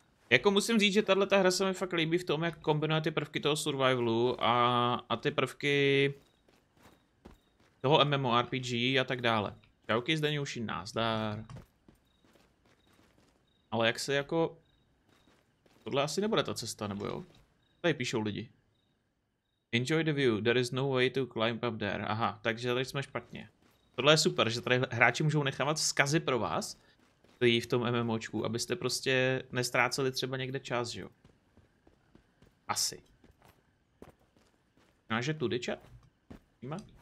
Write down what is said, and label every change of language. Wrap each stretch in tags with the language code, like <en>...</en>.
<cs>Jako musím říct, že tato hra se mi fakt líbí v tom, jak kombinuje ty prvky toho survivalu a ty prvky toho MMORPG a tak dále. Čauky, Zdeňu, už jim názdár. Ale jak se jako... Tohle asi nebude ta cesta, nebo jo? Tady píšou lidi.</cs> <en>Enjoy the view, there is no way to climb up there.</en> <cs>Aha, takže tady jsme špatně. Tohle je super, že tady hráči můžou nechávat vzkazy pro vás, kteří v tom MMOčku, abyste prostě nestráceli třeba někde čas, že jo? Asi. Náže tudy chat? Víma?</cs>